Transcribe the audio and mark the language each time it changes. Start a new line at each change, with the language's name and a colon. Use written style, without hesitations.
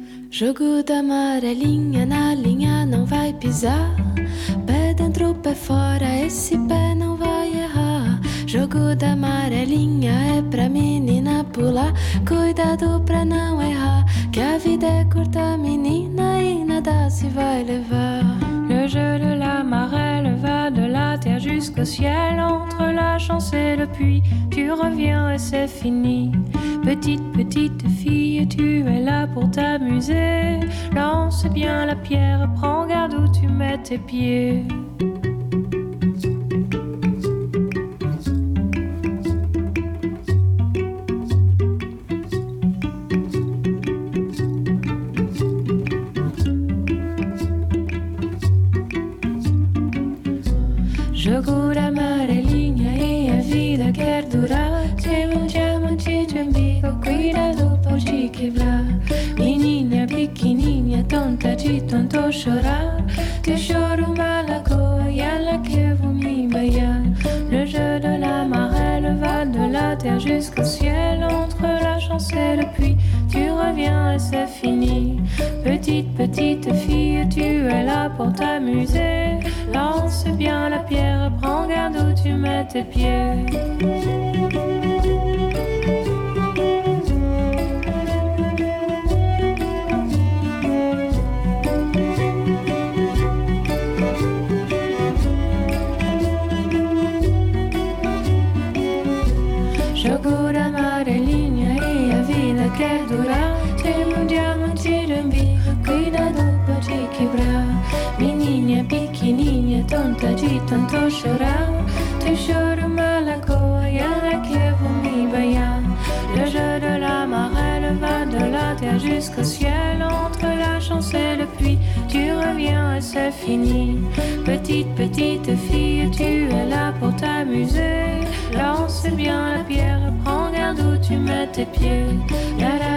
Portuguese: Jogo da amarelinha na linha não vai pisar. Pé dentro, pé fora, esse pé não vai errar. Jogo da amarelinha é pra menina pular. Cuidado pra não errar, que a vida é curta, menina, e nada se vai levar.
French: Le jeu de l'amarelle va de la terre jusqu'au ciel. Entre la chance et le puits, tu reviens et c'est fini. Petite, petite fille, tu es là pour t'amuser. Lance bien la pierre, prends garde où tu mets tes pieds.
Portuguese: Jogo da amarelinha e a vida quer durar. Tem um diamante de umbigo, cuidado, pode quebrar. Menina pequenininha, tonta de tanto chorar. Te choro uma lagoa e ela que eu vou me baiar.
French: Le jeu de la marelle va de la terre jusqu'au ciel. Entre la chance et le puits, tu reviens et c'est fini. Petite, petite fille, tu es là pour t'amuser. Lance bien la pierre, prends garde où tu mets tes pieds.
Portuguese: Jogo da amarelinha e a vida quer durar. Tem um diamante de umbigo, cuidado, pode quebrar. Menina pequenininha, tonta de tanto chorar. Te choro uma lagoa e ela que eu vou me banhar.
French: Le jeu de la marelle va de la terre jusqu'au ciel. Entre la chance et le puits, tu reviens et c'est fini. Petite, petite fille, tu es là pour t'amuser. Lance bien la pierre, prends garde où tu mets tes pieds. La